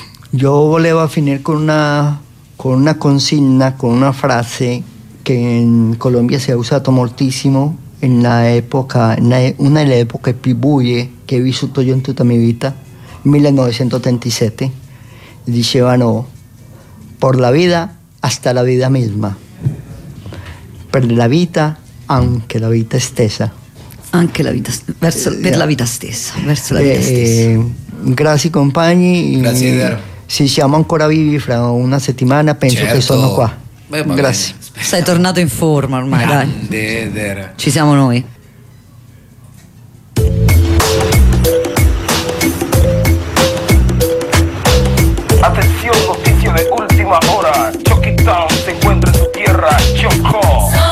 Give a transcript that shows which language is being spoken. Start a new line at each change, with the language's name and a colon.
Italian: Io volevo finire con una consigna, con una frase che in Colombia si è usato moltissimo una delle epoche più buie che ho vissuto io in tutta la mia vita, 1987.
Spanish: Dicevano: por la vida hasta la vida misma.
Italian: Per la vita, anche la vita stessa. Anche la vita, per la vita stessa, verso la vita stessa. Grazie, compagni. Grazie, Eder. Se siamo ancora vivi fra una settimana, penso, certo, che sono qua. Beh, grazie. Sei tornato in forma ormai. Grande, dai. Eder. Ci siamo noi. Attenzione, notizie di ultima ora.
Spanish: Choquitao se encuentra su tierra, Chocó.